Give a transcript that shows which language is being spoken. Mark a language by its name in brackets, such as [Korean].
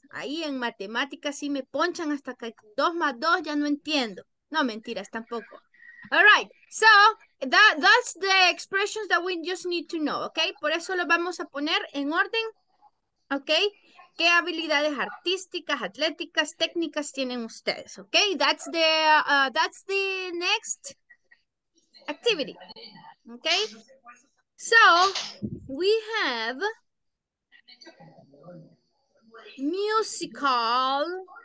[Spanish] Ahí en matemáticas sí me ponchan hasta que 2 + 2 ya no entiendo. No, mentiras, tampoco. [English] All right, so that's the expressions that we just need to know, okay? [Spanish] Por eso lo vamos a poner en orden, okay? ¿Qué habilidades artísticas, atléticas, técnicas tienen ustedes, okay? [English] That's the next activity, okay? So we have musical.